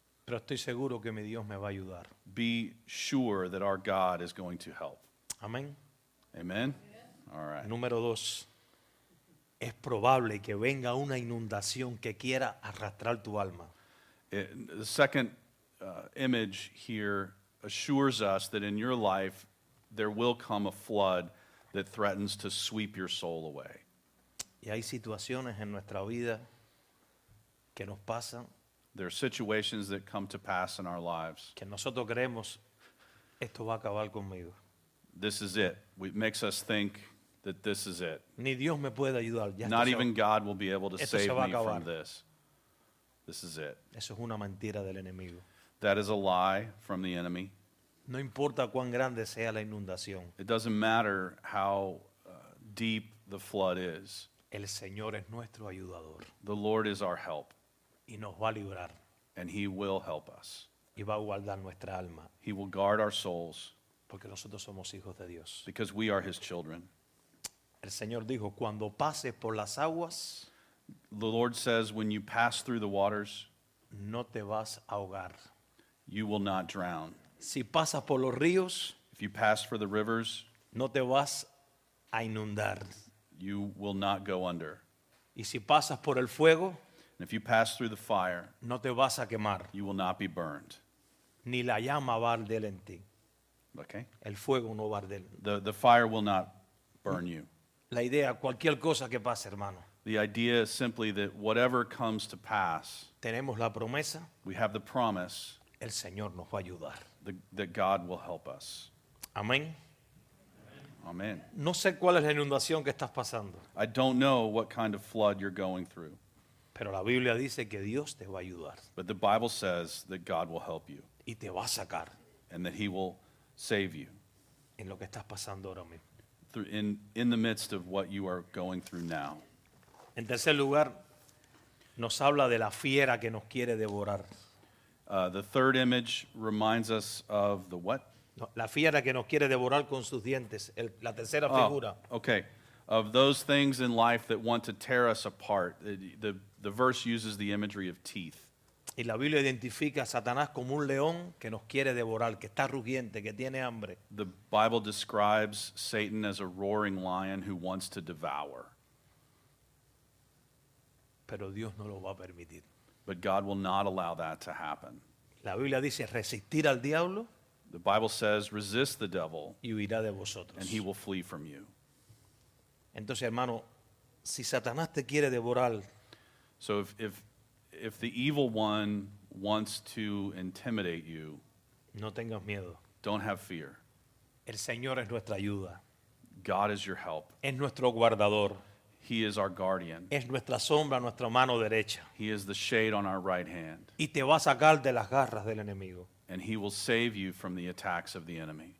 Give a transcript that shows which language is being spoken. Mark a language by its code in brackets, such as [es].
[es] pero estoy seguro que mi Dios me va a ayudar. [en] Be sure that our God is going to help. [es] Amén. [en] Amen. All right. [es] Número dos. Es probable que venga una inundación que quiera arrastrar tu alma. [en] The second image here assures us that in your life there will come a flood that threatens to sweep your soul away. [es] Y hay situaciones en nuestra vida que nos pasan. [en] There are situations that come to pass in our lives. [es] Que nosotros creemos, esto va a acabar conmigo. [en] This is it. It makes us think that this is it. [es] Ni Dios me puede ayudar. Ya [en] not even God will be able to save me from this. This is it. [es] Eso es una mentira del enemigo. [en] That is a lie from the enemy. [es] No importa cuán grande sea la inundación. [en] It doesn't matter how deep the flood is. [es] El Señor es nuestro ayudador. [en] The Lord is our help. [es] Y nos va a librar. [en] And he will help us. [es] Y va a guardar nuestra alma. [en] He will guard our souls. [es] Porque nosotros somos hijos de Dios. [en] Because we are his children. [es] El Señor dijo, cuando pases por las aguas, [en] the Lord says, when you pass through the waters, [es] no te vas a ahogar. [en] You will not drown. [es] Si pasas por los ríos, [en] if you pass for the rivers, [es] no te vas a inundar. [en] You will not go under. [es] Y si pasas por el fuego, [en] and if you pass through the fire, [es] no te vas a quemar. [en] You will not be burned. [es] Ni la llama va a arder en ti. [en] Okay. [es] El fuego no va a arder. [en] The fire will not burn you. [es] La idea, cualquier cosa que pase, hermano. [en] The idea is simply that whatever comes to pass, [es] tenemos la promesa, [en] we have the promise, [es] el Señor nos va a ayudar. [en] That God will help us. [es] Amén. [en] Amen. [es] No sé cuál es la inundación que estás pasando. [en] I don't know what kind of flood you're going through. [es] Pero la Biblia dice que Dios te va a ayudar. [en] But the Bible says that God will help you. [es] Y te va a sacar. [en] And that he will save you. [es] En lo que estás pasando ahora mismo. [en] In the midst of what you are going through now. [es] En tercer lugar, nos habla de la fiera que nos quiere devorar. [en] The third image reminds us of the what? [es] La fiera que nos quiere devorar con sus dientes, la tercera figura. [en] Okay, of those things in life that want to tear us apart, the verse uses the imagery of teeth. [es] Y la Biblia identifica a Satanás como un león que nos quiere devorar, que está rugiente, que tiene hambre. [en] The Bible describes Satan as a roaring lion who wants to devour. [es] Pero Dios no lo va a permitir. [en] But God will not allow that to happen. [es] La Biblia dice resistir al diablo. [en] The Bible says, resist the devil, [es] y huirá de vosotros. [en] And he will flee from you. [es] Entonces, hermano, si Satanás te quiere devorar, [en] so if the evil one wants to intimidate you, [es] no tengas miedo. [en] Don't have fear. [es] El Señor es nuestra ayuda. [en] God is your help. [es] Es nuestro guardador. [en] He is our guardian. [es] Es nuestra sombra, nuestra mano derecha. [en] He is the shade on our right hand. [es] Y te va a sacar de las garras del enemigo. [en] And he will save you from the attacks of the enemy.